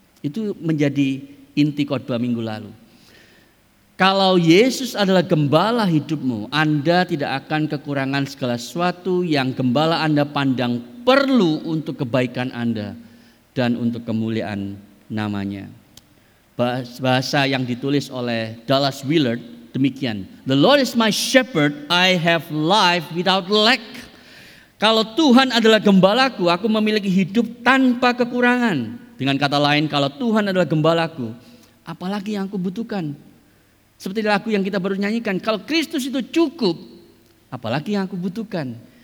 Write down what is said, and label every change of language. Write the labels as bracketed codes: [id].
[id] Itu menjadi inti khotbah minggu lalu. Kalau Yesus adalah gembala hidupmu, Anda tidak akan kekurangan segala sesuatu yang gembala Anda pandang perlu untuk kebaikan Anda dan untuk kemuliaan namanya. Bahasa yang ditulis oleh Dallas Willard demikian. [en] The Lord is my shepherd, I have life without lack. [id] Kalau Tuhan adalah gembalaku, aku memiliki hidup tanpa kekurangan. Dengan kata lain, kalau Tuhan adalah gembalaku, apalagi yang aku butuhkan? Seperti lagu yang kita baru nyanyikan, kalau Kristus itu cukup, apalagi yang aku butuhkan?